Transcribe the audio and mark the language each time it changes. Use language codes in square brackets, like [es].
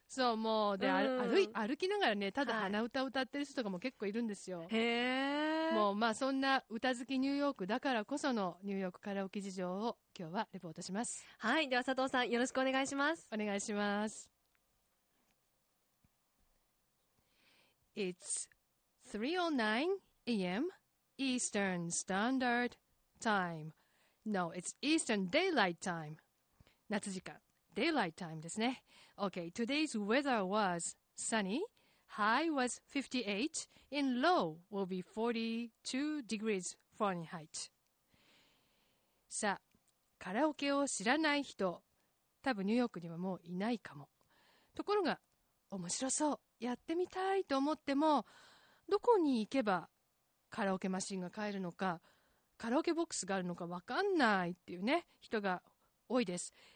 [ja] そう、もう、で、歩きながらね、ただ鼻歌を歌ってる人とかも結構いるんですよ。へぇ、もう、まあ、そんな歌好きニューヨークだからこそのニューヨークカラオケ事情を今日はレポートします。はい、では佐藤さん、よろしくお願いします。お願いします。 [en] It's 3:09 AM Eastern Standard Time. No, it's Eastern Daylight Time. [ja] 夏時間。 [en] Daylight Time [ja] ですね。 [en] Okay, today's weather was sunny. High was 58 and low will be 42 degrees Fahrenheit. [ja] さあ、カラオケを知らない人、多分ニューヨークにはもういないかも。ところが、面白そう。やってみたいと思っても、どこに行けばカラオケマシンが買えるのか、カラオケボックスがあるのか分かんないっていうね、人が多いです。